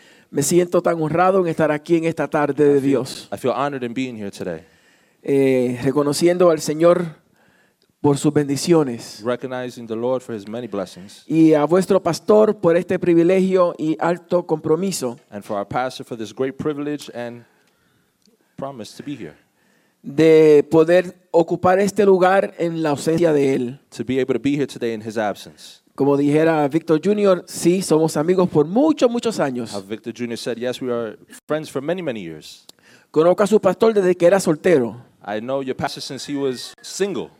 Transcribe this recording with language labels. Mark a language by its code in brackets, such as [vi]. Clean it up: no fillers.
[es] Me siento tan honrado en estar aquí en esta tarde de Dios. [en] I feel honored in being here today. [es] Reconociendo al Señor por sus bendiciones. [en] Recognizing the Lord for his many blessings. [es] Y a vuestro pastor por este privilegio y alto compromiso. [en] And for our pastor for this great privilege and promise to be here. [es] De poder ocupar este lugar en la ausencia de él. [en] To be able to be here today in his absence. [es] Como dijera Victor Jr., sí, somos amigos por muchos, muchos años. [en] How Victor Jr. said, yes, we are friends for many, many years. [es] Conozco a su pastor desde que era soltero. [en] I know your pastor since he was single.